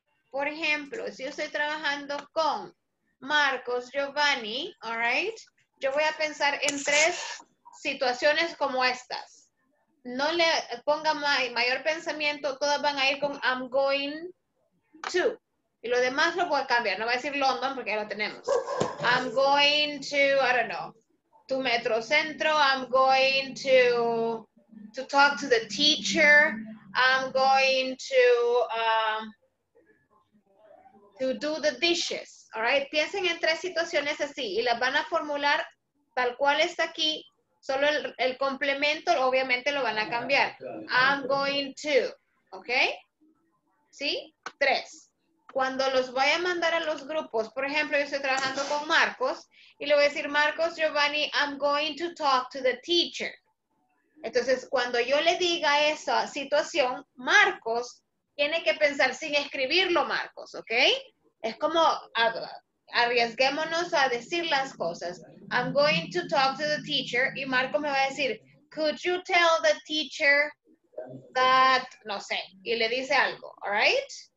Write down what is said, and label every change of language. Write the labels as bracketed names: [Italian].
[Spanish] Por ejemplo, si yo estoy trabajando con Marcos, Giovanni, [English] all right, [Spanish] yo voy a pensar en tres situaciones como estas. No le ponga mayor pensamiento, todas van a ir con I'm going to. Y lo demás lo voy a cambiar. No voy a decir London porque ya lo tenemos. [English] I'm going to, I don't know, to Metro Centro. I'm going to talk to the teacher. I'm going to do the dishes. All right? [Spanish] Piensen en tres situaciones así y las van a formular tal cual está aquí. Solo el complemento obviamente lo van a cambiar. [English] I'm going to. [Spanish] ¿Ok? ¿Sí? Tres. Cuando los voy a mandar a los grupos, por ejemplo, yo estoy trabajando con Marcos y le voy a decir, Marcos, Giovanni, [English] I'm going to talk to the teacher. [Spanish] Entonces, cuando yo le diga esa situación, Marcos tiene que pensar sin escribirlo, Marcos, ¿ok? Es como arriesguémonos a decir las cosas. [English] I'm going to talk to the teacher [Spanish] y Marcos me va a decir, [English] could you tell the teacher that, [Spanish] no sé, y le dice algo, [English] all right?